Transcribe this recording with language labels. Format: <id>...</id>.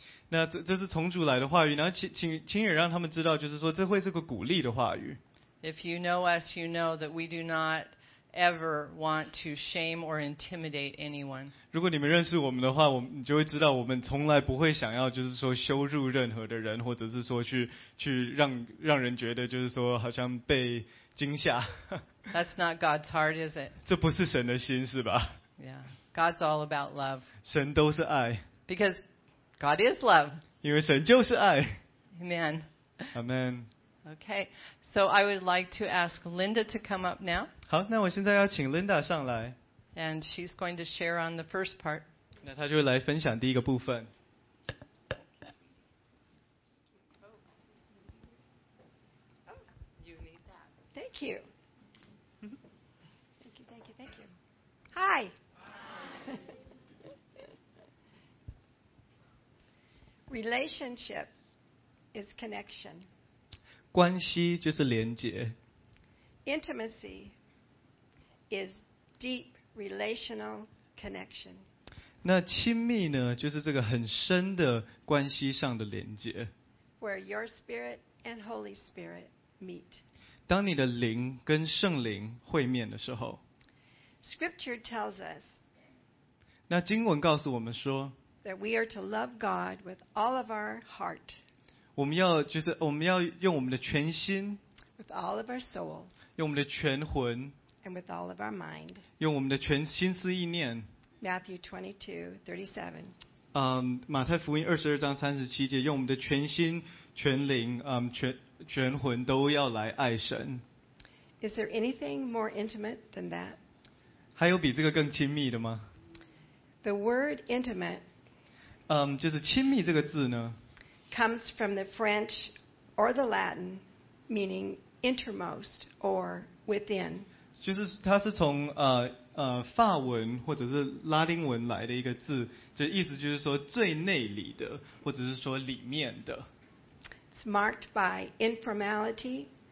<zh>那这是从主来的话语，然后请也让他们知道，就是说这会是个鼓励的话语。</zh> <en>If you know us, you know that we do not. Ever want to shame or intimidate anyone?</en> <zh>如果你们认识我们的话，你就会知道我们从来不会想要就是说羞辱任何的人，或者是说去让人觉得就是说好像被惊吓。</zh> <en>That's not God's heart, is it?</en> <zh>这不是神的心，是吧</zh> <en>？Yeah, God's all about love.</en> <zh>神都是爱。</zh> <en>Because God is love.</en> <zh>因为神就是爱。</zh> <en>Amen. Amen. Okay, so I would like to ask Linda to come up now.</en> <zh>好，那我现在要请 Linda 上来。</zh> <en>And she's going to share on the first part.</en> <zh>那她就会来分享第一个部分。</zh> <en>You need that. Thank you. Thank you. Hi. Relationship is connection.</en> <zh>关系就是连结。</zh> <en>Intimacy. Is deep relational connection.</en> <zh>那亲密呢，就是这个很深的关系上的连接。</zh> <en>Where your spirit and Holy Spirit meet.</en> <zh>当你的灵跟圣灵会面的时候。</zh> <en>Scripture tells us.</en> <zh>那经文告诉我们说。</zh> <en>That we are to love God with all of our heart.</en> <zh>我们要用我们的全心。</zh> <en>With all of our soul.</en> <zh>用我们的全魂。</zh> <en>And with all of our mind.</en> <zh>用我们的全心思意念。</zh> <en>Matthew 22:37.</en> <zh>马太福音22:37，用我们的全心、全灵、全魂都要来爱神。</zh> <en>Is there anything more intimate than that?</en> <zh>还有比这个更亲密的吗</zh> <en>？The word intimate.</en> <zh>就是亲密这个字呢</zh> <en>？Comes from the French or the Latin, meaning innermost or within.</en> <zh>就是它是从法文或者是拉丁文来的一个字，就意思就是说最内里的，或者是说里面的。</zh> <en>It's marked by informality.</en>